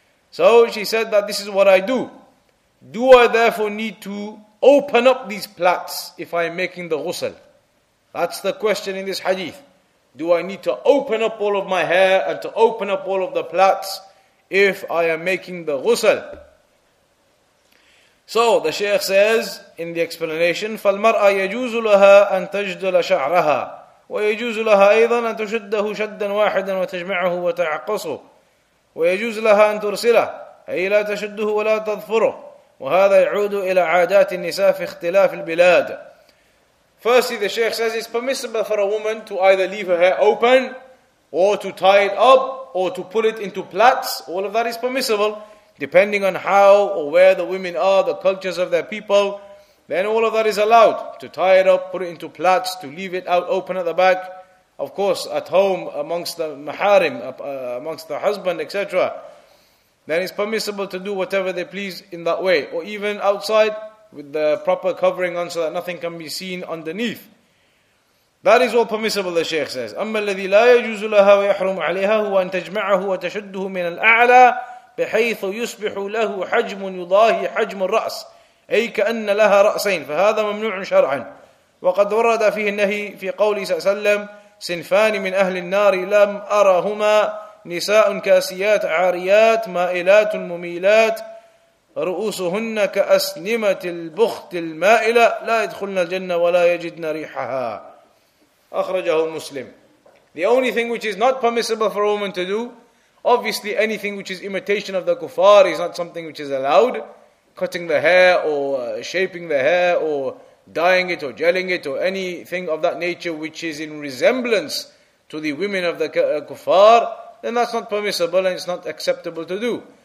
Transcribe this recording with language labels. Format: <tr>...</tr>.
<en>So she said that this is what I do. Do I therefore need to open up these plaits if I am making the ghusl? That's the question in this hadith. Do I need to open up all of my hair and to open up all of the plaits if I am making the ghusl? So the Shaykh says in the explanation,</en> <ar>فَالْمَرْأَ يَجُوزُ لَهَا أَن تَجْدُلَ شَعْرَهَا وَيَجُوزُ لَهَا أَيْضًا أَن تُشُدَّهُ شَدًّا وَاحِدًا وَتَجْمَعَهُ وَتَعَقَصُهُ وَيَجُوزُ لَهَا أَن تُرْسِلَهُ أي لا تشده ولا تظفره وهذا يعود إلى عادات النساء في اختلاف البلاد.</ar> <en>Firstly, the Shaykh says it's permissible for a woman to either leave her hair open or to tie it up or to put it into plaits. All of that is permissible, depending on how or where the women are, the cultures of their people, then all of that is allowed. To tie it up, put it into plaits, to leave it out open at the back. Of course, at home, amongst the maharim, amongst the husband, etc. Then it's permissible to do whatever they please in that way. Or even outside, with the proper covering on so that nothing can be seen underneath. That is all permissible, the Shaykh says.</en> <ar>أَمَّا الَّذِي لَا يَجُوزُ لَهَا وَيَحْرُمُ عَلَيْهَا هُوَ أَن تَجْمَعَهُ وَتَشُدُّهُ مِنَ الْأَعْلَى بحيث يصبح له حجم يضاهي حجم الرأس أي كأن لها رأسين فهذا ممنوع شرعا وقد ورد فيه النهي في قوله صلى الله عليه وسلم صنفان من أهل النار لم أرهما نساء كاسيات عاريات مائلات مميلات رؤوسهن كأسنمة البخت المائلة لا يدخلن الجنة ولا يجدن ريحها. أخرجه مسلم.</ar> <en>The only thing which is not permissible for a woman to do, obviously anything which is imitation of the kuffar is not something which is allowed. cutting the hair or shaping the hair or dyeing it or gelling it or anything of that nature which is in resemblance to the women of the kuffar, then that's not permissible and it's not acceptable to do.</en>